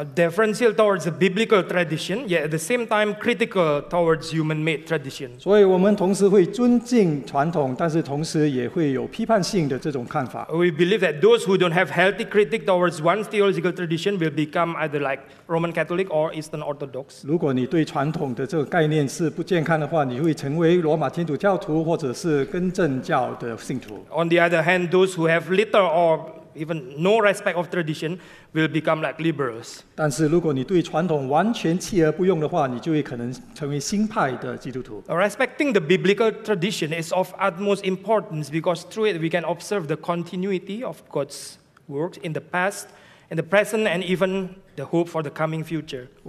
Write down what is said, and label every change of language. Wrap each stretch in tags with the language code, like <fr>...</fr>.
<en>Deferential towards the biblical tradition, yet at the same time critical towards human-made tradition.</en> <zh>所以我们同时会尊敬传统，但是同时也会有批判性的这种看法。</zh> <en>We believe that those who don't have healthy critique towards one theological tradition will become either like Roman Catholic or Eastern Orthodox.</en> <zh>如果你对传统的这个概念是不健康的话，你会成为罗马天主教。或者是更正教的信徒。</zh> <en>On the other hand, those who have little or even no respect of tradition will become like liberals.</en> <zh>但是如果你对传统完全弃而不用的话，你就会可能成为新派的基督徒。</zh> <en>Respecting the biblical tradition is of utmost importance because through it we can observe the continuity of God's works in the past, in the present, and even the hope for the coming future.</en>